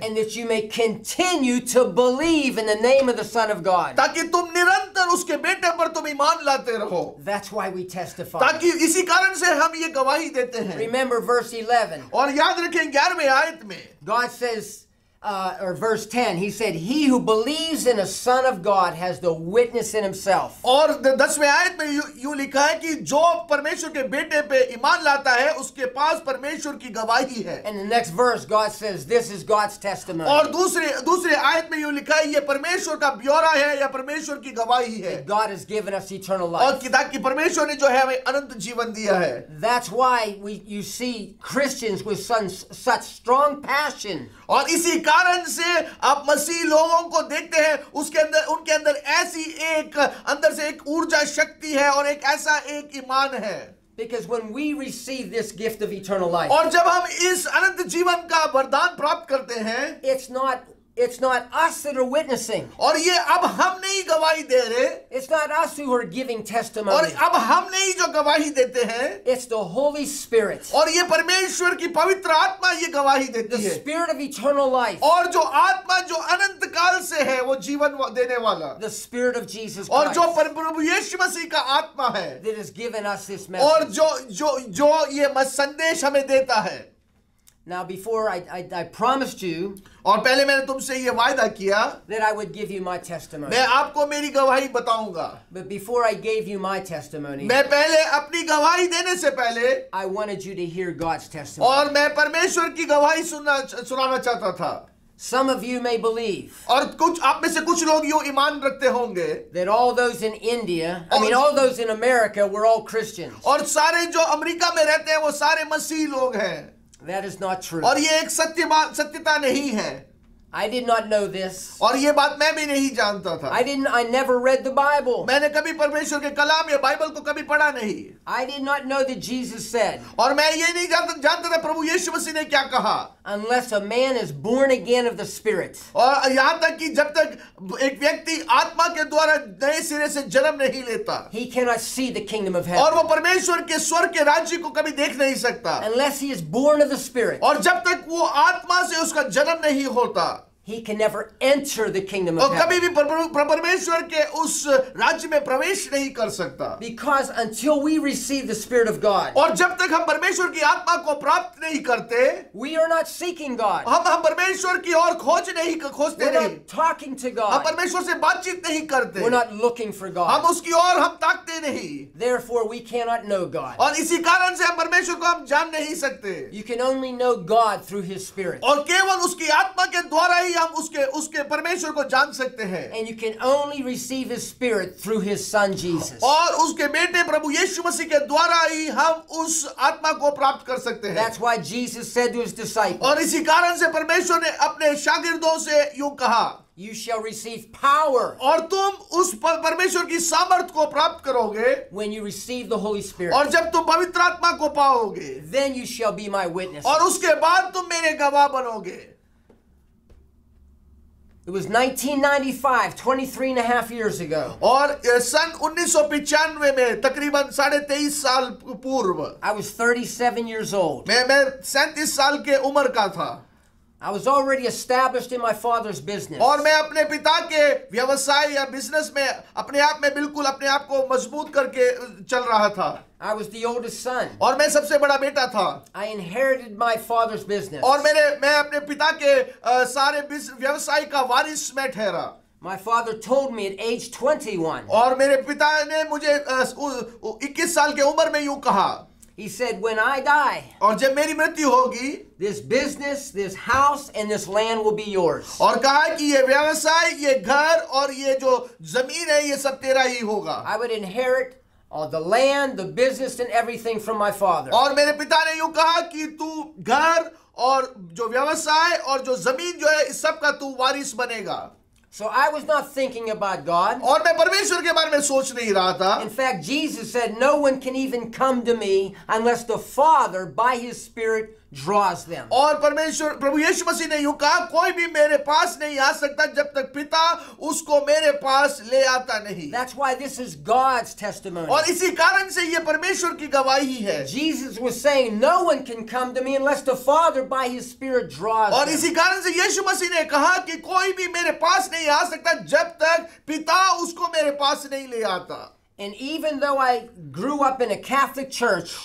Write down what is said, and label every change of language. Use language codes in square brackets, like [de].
[en] And that you may continue to believe in the name of the Son of God. [hi] ताकि तुम निरंतर उसके बेटे पर तुम ईमान लाते रहो. [en] That's why we testify. [hi] ताकि इसी कारण से हम ये गवाही देते हैं. [en] Remember verse 11. [hi] और याद रखें 11वें आयत में. [en] God says, or verse 10, he said, he who believes in a son of God has the witness in himself. [hi] और 10वें आयत में यूं लिखा है कि जो परमेश्वर के बेटे पे ईमान लाता है उसके पास परमेश्वर की गवाही है. [en] And the next verse, God says, this is God's testimony. [hi] और दूसरे आयत में यूं लिखा है ये परमेश्वर का ब्यौरा है या परमेश्वर की गवाही है. [en] That God has given us eternal life. [hi] और ताकि परमेश्वर ने जो है हमें अनंत जीवन दिया है. [en] That's why you see Christians with such strong passion. [hi] और इसी कारण से आप मसीह लोगों को देखते हैं उनके अंदर ऐसी एक अंदर से एक ऊर्जा शक्ति है और एक ऐसा एक ईमान है. [en] Because when we receive this gift of eternal life, [hi] और जब हम इस अनंत जीवन का वरदान प्राप्त करते हैं, [en] It's not us that are witnessing. [hi] और ये अब हम नहीं गवाही दे रहे. [en] It's not us who are giving testimony. [hi] और अब हम नहीं जो गवाही देते हैं. [en] It's the Holy Spirit. [hi] और ये परमेश्वर की पवित्र आत्मा ये गवाही देती है. [en] The Spirit of eternal life. [hi] और जो आत्मा जो अनंत काल से है वो जीवन देने वाला. [en] The Spirit of Jesus Christ. [hi] और जो प्रभु यीशु मसीह का आत्मा है. [en] That has given us this message. [hi] और जो जो जो ये संदेश हमें देता है. [en] Now before I promised you, [hi] और पहले मैंने तुमसे ये वायदा किया, [en] that I would give you my testimony. [hi] मैं आपको मेरी गवाही बताऊंगा. [en] But before I gave you my testimony, [hi] मैं पहले अपनी गवाही देने से पहले, [en] I wanted you to hear God's testimony. [hi] और मैं परमेश्वर की गवाही सुनाना चाहता था. [en] Some of you may believe. [hi] और कुछ आप में से कुछ लोग यूं ईमान रखते होंगे. [en] That all those in India, all those in America, were all Christians. [hi] और सारे जो अमेरिका में रहते हैं वो सारे मसीह लोग हैं. [en] That is not true. [hi] और ये एक सत्यता नहीं है. [en] I did not know this. [hi] और ये बात मैं भी नहीं जानता था. [en] I never read the Bible. [hi] मैंने कभी परमेश्वर के कलाम या बाइबल को कभी पढ़ा नहीं. [en] I did not know that Jesus said. [hi] और मैं ये नहीं जानता था प्रभु यीशु मसीह ने क्या कहा. [en] Unless a man is born again of the Spirit. [hi] और यहाँ तक कि जब तक एक व्यक्ति आत्मा के द्वारा नए सिरे से जन्म नहीं लेता, [en] he cannot see the kingdom of heaven. [hi] और वो परमेश्वर के स्वर्ग के राज्य को कभी देख नहीं सकता. [en] Unless he is born of the Spirit. [hi] और जब तक वो आत्मा से उसका जन्म नहीं होता, [en] he can never enter the kingdom of heaven. [hi] और कभी भी परमेश्वर के उस राज्य में प्रवेश नहीं कर सकता. [en] Because until we receive the Spirit of God, [hi] और जब तक हम परमेश्वर की आत्मा को प्राप्त नहीं करते, [en] we are not seeking God. [hi] हम परमेश्वर की ओर खोजते नहीं. [en] We're not talking to God. [hi] हम परमेश्वर से बातचीत नहीं करते. [en] We're not looking for God. [hi] हम उसकी ओर हम ताकते नहीं. [en] Therefore, we cannot know God. [hi] और इसी कारण से हम परमेश्वर को हम जान नहीं सकते. [en] You can only know God through His Spirit. [hi] और केवल उसकी आत्मा के द्वारा ही हम उसके परमेश्वर को जान सकते हैं. [en] And you can only receive his spirit through his son Jesus. [hi] और उसके बेटे प्रभु यीशु मसीह के द्वारा ही हम उस आत्मा को प्राप्त कर सकते हैं. [en] That's why Jesus said to his disciples. [hi] और इसी कारण से परमेश्वर ने अपने शागिर्दों से यूं कहा, [en] you shall receive power. [hi] और तुम उस परमेश्वर की सामर्थ को प्राप्त करोगे. [en] When you receive the Holy Spirit. [hi] और जब तुम पवित्र आत्मा को पाओगे. [en] Then you shall be my witness. [hi] और उसके बाद तुम मेरे गवाह बनोगे. [en] It was 1995, 23 and a half years ago. [hi] और सन 1995 में तकरीबन 23.5 साल पूर्व. [en] I was 37 years old. [hi] मैं 37 साल के उम्र का था. [en] I was already established in my father's business. [hi] और मैं अपने पिता के व्यवसाय या बिजनेस में अपने आप में बिल्कुल अपने आप को मजबूत करके चल रहा था. [en] I was the oldest son. [hi] और मैं सबसे बड़ा बेटा था. [en] I inherited my father's business. [hi] और मैं अपने पिता के सारे व्यवसाय का वारिस मैं ठहरा. [en] My father told me at age 21. [hi] और मेरे पिता ने मुझे 21 साल के उम्र में यूं कहा. [en] He said, "When I die, [hi] और जब मेरी मृत्यु होगी, [en] this business, this house, and this land will be yours." [hi] और कहा कि ये व्यवसाय, ये घर और ये जो जमीन है, ये सब तेरा ही होगा. [en] I would inherit all the land, the business, and everything from my father. [hi] और मेरे पिता ने यूं कहा कि तू घर और जो व्यवसाय और जो जमीन जो है, इस सब का तू वारिस बनेगा. [en] So I was not thinking about God. [hi] और मैं परमेश्वर के बारे में सोच नहीं रहा था. [en] In fact, Jesus said, "No one can even come to me unless the Father, by His Spirit, draws them." [hi] और परमेश्वर प्रभु यीशु मसीह ने यूं कहा, कोई भी मेरे पास नहीं आ सकता जब तक पिता उसको मेरे पास ले आता नहीं. [en] That's why this is God's testimony. [hi] और इसी कारण से ये परमेश्वर की गवाही है. [en] Jesus was saying, "No one can come to me unless the Father, by His Spirit, draws them." [hi] और इसी कारण से यीशु मसीह ने कहा कि कोई भी मेरे पास नहीं आ सकता जब तक पिता उसको मेरे पास नहीं ले आता. [en] And even though I grew up in a Catholic church,